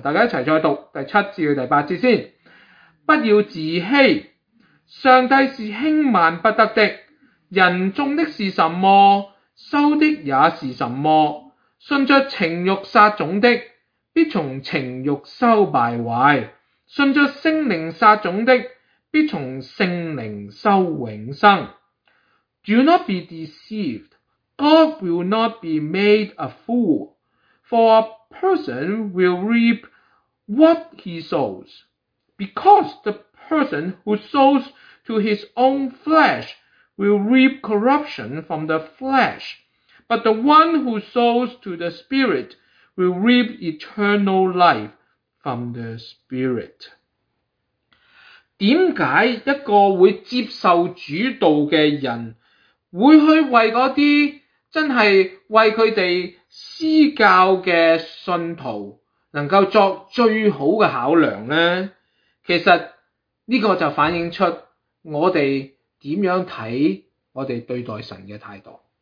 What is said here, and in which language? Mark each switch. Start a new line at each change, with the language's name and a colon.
Chinese: 大家一起再读第七至到第八节先。不要自欺，上帝是轻慢不得的，人种的是什么，收的也是什么，信着情欲撒种的必从情欲收败坏，信着圣灵撒种的必从圣灵收永生。
English: Do not be deceived, God will not be made a fool, for a person will reap what he sows. Because the person who sows to his own flesh will reap corruption from the flesh, but the one who sows to the Spirit will reap eternal life from the Spirit。
Chinese: 为什么一个会接受主道的人会去为那些真是为他们施教的信徒能够作最好的考量呢？其实这个就反映出我们怎样看我们对待神的态度。